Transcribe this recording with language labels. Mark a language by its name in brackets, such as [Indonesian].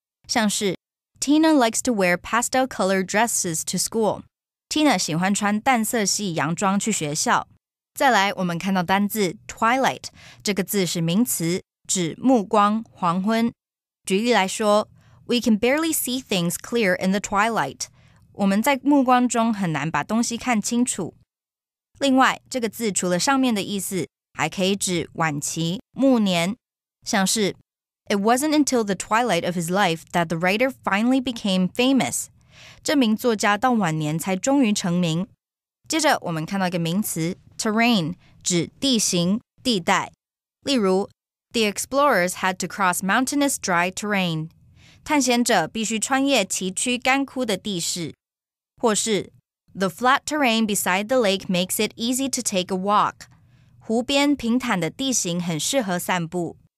[Chinese] 像是 [English] Tina likes to wear pastel color dresses to school. [Chinese] Tina 喜欢穿淡色系洋装去学校。再来，我们看到单字 twilight， 这个字是名词，指暮光、黄昏。举例来说 [English] ，We can barely see things clear in the twilight. [Chinese] 我们在暮光中很难把东西看清楚。另外，这个字除了上面的意思，还可以指晚期、暮年，像是。 [English] It wasn't until the twilight of his life that the writer finally became famous. [Chinese] 这名作家到晚年才终于成名。接着我们看到一个名词 terrain, 指地形、地带。例如 [English] ,The explorers had to cross mountainous dry terrain. [Chinese] 探险者必须穿越崎岖干枯的地势。或是 [English] ,The flat terrain beside the lake makes it easy to take a walk. [Chinese] 湖边平坦的地形很适合散步。